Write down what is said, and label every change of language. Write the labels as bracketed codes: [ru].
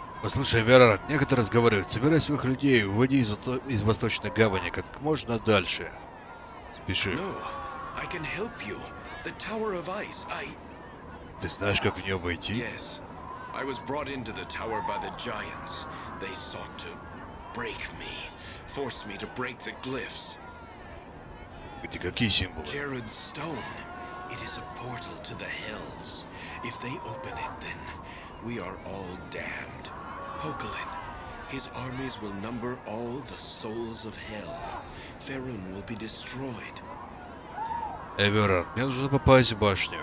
[ru] Слушай, Верард, некогда разговаривают. Собирай своих людей и уводи из Восточной Гавани как можно дальше. Спеши. [en] No, I can help you. The Tower of Ice, I... [ru] Ты знаешь, как в нее войти? [en] Yes. I was brought into the tower by the giants. They sought to break me. Force me to break the glyphs. [ru] Эти какие символы? [en] Jared Stone. It is a portal to the hells. If they open it, then we are all damned. Pokalin, his armies will number all the souls of hell. Ferun will be destroyed. [ru] Эверард, мне нужно попасть в башню.